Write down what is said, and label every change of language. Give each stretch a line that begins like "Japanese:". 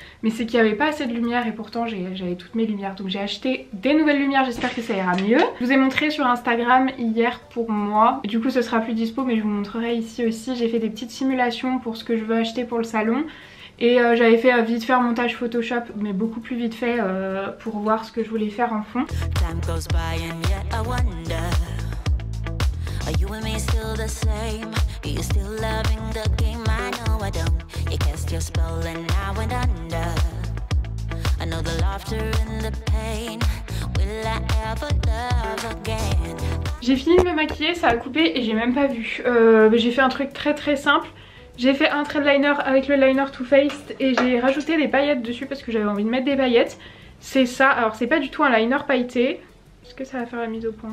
French: Mais c'est qu'il n'y avait pas assez de lumière et pourtant j'avais toutes mes lumières. Donc j'ai acheté des nouvelles lumières, j'espère que ça ira mieux. Je vous ai montré sur Instagram hier pour moi. Du coup ce sera plus dispo mais je vous montrerai ici aussi. J'ai fait des petites simulations pour ce que je veux acheter pour le salon. Et j'avais fait vite faire montage Photoshop, mais beaucoup plus vite fait pour voir ce que je voulais faire en fond.
English: Time goes by and yet I wonder, are you and me still the same? Are you still loving the game? I know I don't. You cast your spell and I went under. I know the laughter and the pain. Will I ever love again?
French: J'ai fini de me maquiller, ça a coupé et j'ai même pas vu. J'ai fait un truc très très simple. J'ai fait un trait de liner avec le liner Too Faced et j'ai rajouté des paillettes dessus parce que j'avais envie de mettre des paillettes. C'est ça, alors c'est pas du tout un liner pailleté. Est-ce que ça va faire la mise au point?